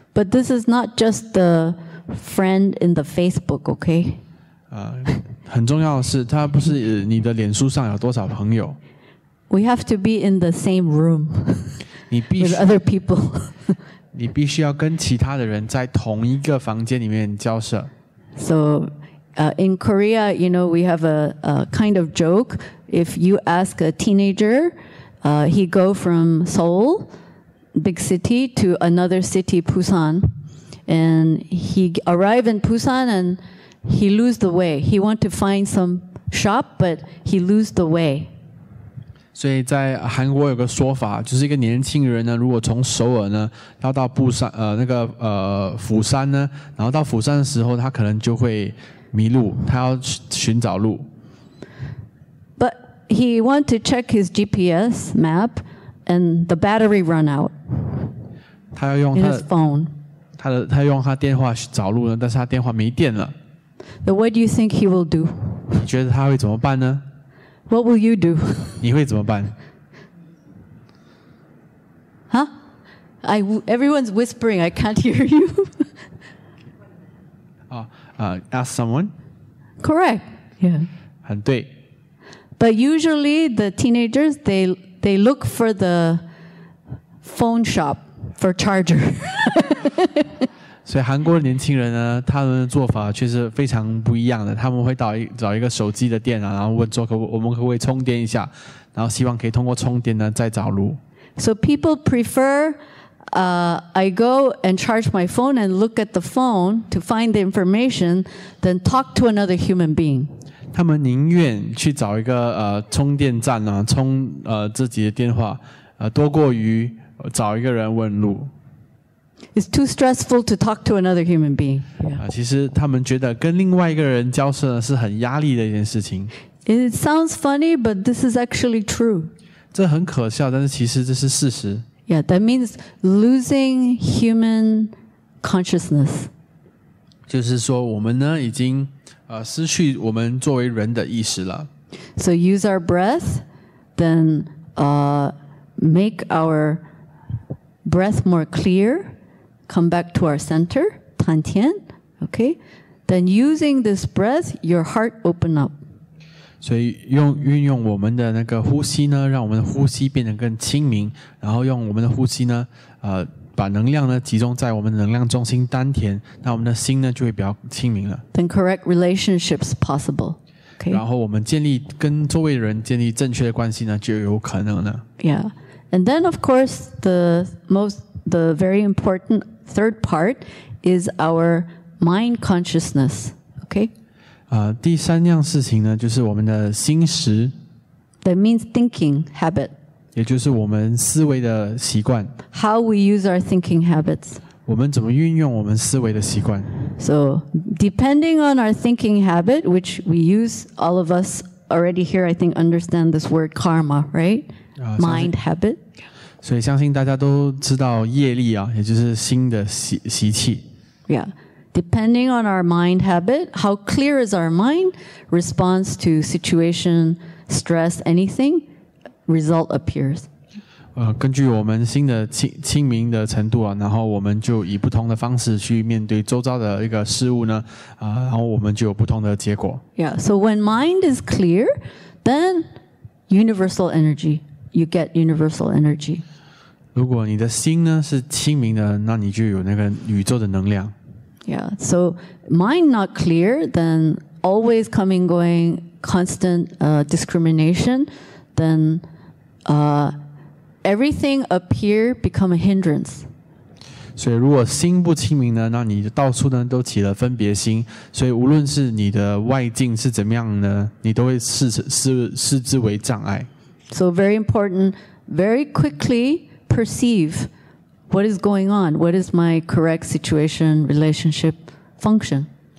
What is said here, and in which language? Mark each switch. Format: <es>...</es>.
<en>But this is not just the friend in the Facebook, okay?</en> <zh>很重要的是，他不是你的脸书上有多少朋友。</zh> <en>We have to be in the same room.</en> <zh>你必须</zh> <en>with other people.</en> <zh>你必须要跟其他的人在同一个房间里面交涉。</zh> <en>So, in Korea, you know, we have a kind of joke. If you ask a teenager, he go from Seoul, big city, to another city, Busan, and he arrive in Busan and he lose the way. He want to find some shop, but he lose the way.</en> <zh>所以在韩国有个说法，就是一个年轻人呢，如果从首尔呢，要到釜山，釜山呢，然后到釜山的时候，他可能就会迷路，他要寻找路。</zh> <en>But he want to check his GPS map, and the battery run out.</en> <zh>他要用</zh> <en>his phone.</en> <zh>他用他电话找路呢，但是他电话没电了。</zh> <en>So what do you think he will do?</en> <zh>你觉得他会怎么办呢？</zh> <en>What will you do?</en> <zh>你会怎么办？</zh> <en>Huh? Everyone's whispering. I can't hear you. Ask someone? Correct. Yeah.</en> <zh>很对。</zh> <en>But usually the teenagers, they look for the phone shop for charger.</en> <zh>所以韩国的年轻人呢，他们的做法却是非常不一样的。他们会找一个手机的店啊，然后问说我们可不可以充电一下，然后希望可以通过充电呢再找路。</zh> <en>So people prefer, I go and charge my phone and look at the phone to find the information, than talk to another human being.</en> <zh>他们宁愿去找一个充电站啊，充自己的电话，多过于找一个人问路。</zh> <en>It's too stressful to talk to another human being. Yeah.</en> <zh>其实他们觉得跟另外一个人交涉是很压力的一件事情。</zh> <en>It sounds funny, but this is actually true.</en> <zh>这很可笑，但是其实这是事实。</zh> <en>Yeah, that means losing human consciousness.</en> <zh>就是说我们呢已经失去我们作为人的意识了。</zh> <en>So use our breath, then make our breath more clear. Come back to our center, Tan Tian, okay? Then using this breath, your heart open up.</en> <zh>所以运用我们的那个呼吸呢，让我们的呼吸变得更清明，然后用我们的呼吸呢，把能量呢集中在我们的能量中心丹田，那我们的心呢就会比较清明了。</zh> <en>Then correct relationships possible. Okay.</en> <zh>然后我们建立跟周围人建立正确的关系呢，就有可能了。</zh> <en>Yeah. And then of course, the very important third part is our mind consciousness. Okay.</en> <zh>第三样事情呢，就是我们的心识。</zh> <en>That means thinking habit.</en> <zh>也就是我们思维的习惯。</zh> <en>How we use our thinking habits.</en> <zh>我们怎么运用我们思维的习惯。</zh> <en>So depending on our thinking habit, which we use, all of us already here, I think, understand this word karma, right? Mind habit.</en> <zh>所以相信大家都知道业力啊，也就是心的习气。</zh> <en>Yeah, depending on our mind habit, how clear is our mind, response to situation, stress, anything, result appears.</en> <zh>根据我们心的清明的程度啊，然后我们就以不同的方式去面对周遭的一个事物呢，然后我们就有不同的结果。</zh> <en>Yeah, so when mind is clear, then universal energy. You get universal energy.</en> <zh>如果你的心呢是清明的，那你就有那个宇宙的能量。</zh> <en>Yeah. So mind not clear, then always coming going, constant discrimination, then everything appear become a hindrance.</en> <zh>所以如果心不清明呢，那你到处呢都起了分别心。所以无论是你的外境是怎么样呢，你都会视之为障碍。</zh> <en>So very important, very quickly perceive what is going on, what is my correct situation, relationship, function.</en>